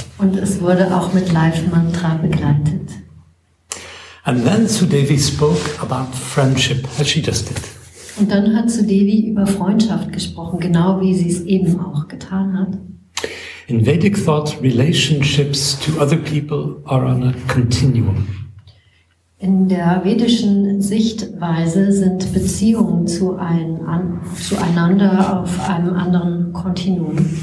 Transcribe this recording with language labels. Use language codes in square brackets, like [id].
[de] Und es wurde auch mit live mantra begleitet. [en] And then Sudevi spoke about friendship, as she just did. [de] Und dann hat Sudevi über Freundschaft gesprochen, genau wie sie es eben auch getan hat. [en] In Vedic thought, relationships to other people are on a continuum. [de] In der vedischen Sichtweise sind Beziehungen zueinander auf einem anderen Kontinuum.